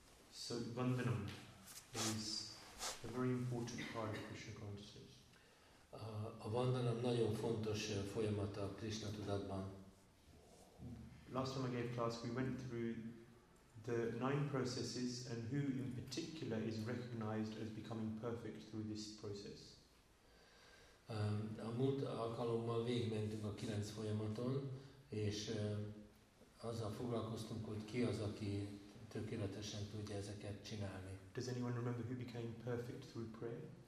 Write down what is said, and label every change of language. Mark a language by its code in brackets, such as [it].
[en] So Vandanam is a very important part of Krishna consciousness. [hu] A Vandanam nagyon fontos folyamata a Krishna tudatban. [en] Last time I gave class we went through the 9 processes and who in particular is recognized as becoming perfect through this process. [hu] A múlt alkalommal végigmentünk a 9 folyamaton, és azzal foglalkoztunk, hogy ki az, aki tökéletesen tudja ezeket csinálni. [en] Does anyone remember who became perfect through prayer?